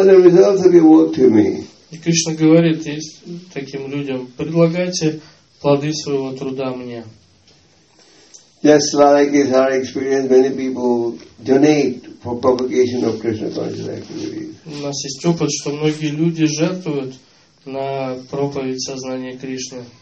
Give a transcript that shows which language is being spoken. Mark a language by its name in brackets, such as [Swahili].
[Russian] И Кришна говорит таким людям, предлагайте плоды своего труда мне. [English] Just like in our experience, many people donate for propagation of Krishna consciousness activities. [Russian] У нас есть опыт, что многие люди жертвуют на проповедь сознания Кришны.